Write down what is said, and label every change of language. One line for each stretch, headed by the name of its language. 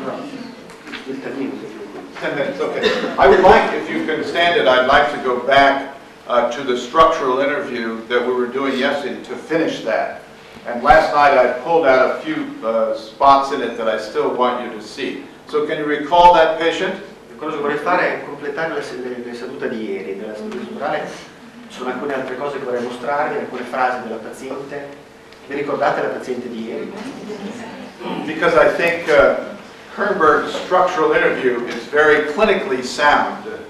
English: 10 minutes, okay. I would like, if you can stand it, I'd like to go back to the structural interview that we were doing yesterday to finish that. And last night I pulled out a few spots in it that I still want you to see. So can you recall that patient?
Italian: Quello che vorrei fare è completare la seduta di ieri, della struttura strutturale. Ci sono alcune altre cose che vorrei mostrarvi, alcune frasi della paziente. Vi ricordate la paziente di ieri?
English: Because I think Kernberg's structural interview is very clinically sound.